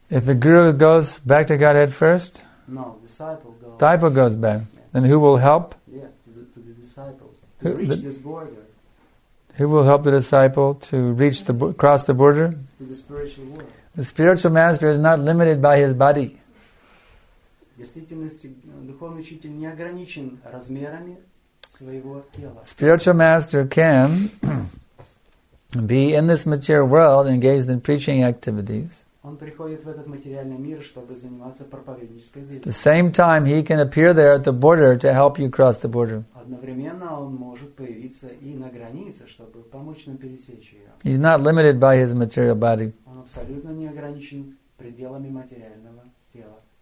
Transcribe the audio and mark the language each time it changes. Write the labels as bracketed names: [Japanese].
[English] If the guru goes back to Godhead first? No, disciple goes. Disciple goes back. Yeah. Then who will help? Yeah, to the disciple. To reach this border. Who will help the disciple to reach cross the border? To the spiritual world. The spiritual master is not limited by his body. [Russian] Действительности, духовный учитель не ограничен размерами. [English] Spiritual master can be in this material world engaged in preaching activities. [Russian] Он приходит в этот материальный мир, чтобы заниматься проповеднической деятельностью. [English] At the same time, he can appear there at the border to help you cross the border. [Russian] Одновременно он может появиться и на границе, чтобы помочь нам пересечь ее. [English] He's not limited by his material body. [Russian] Он абсолютно не ограничен пределами материального тела.